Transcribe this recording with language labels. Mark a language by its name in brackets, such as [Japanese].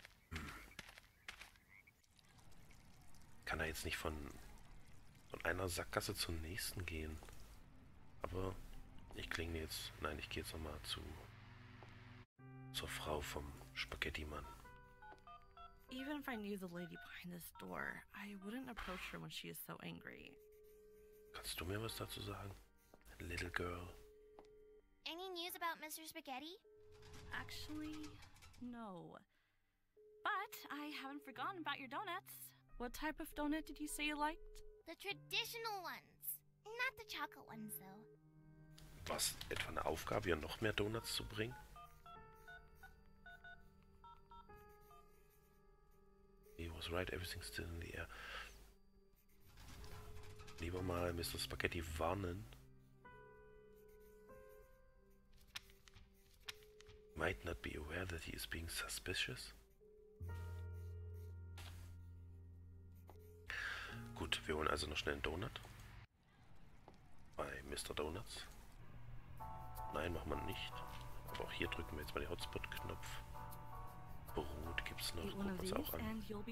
[German] Hm. Kann da jetzt nicht von einer Sackgasse zur nächsten gehen. Aber ich klinge jetzt. Nein, ich gehe jetzt nochmal zur Frau vom Spaghetti-Mann. [English] Even if I knew the lady behind this door, I wouldn't approach her when she is so angry. [German] Kannst du mir was dazu sagen, little girl? [English] Any news about Mr. Spaghetti? Actually, no. But I haven't forgotten about your donuts. What type of donut did you say you liked? The traditional ones. Not the chocolate ones, though. [German] Was, etwa eine Aufgabe, ihr noch mehr Donuts zu bringen? [English] He was right, everything's still in the air. [German] Lieber mal Mr. Spaghetti warnen. [English] Might not be aware that he is being suspicious. [German] Gut, wir holen also noch schnell einen Donut. Bei Mr. Donuts. Nein, machen wir nicht. Aber auch hier drücken wir jetzt mal den Hotspot-Knopf. Brot gibt's noch, gucken wir uns auch an.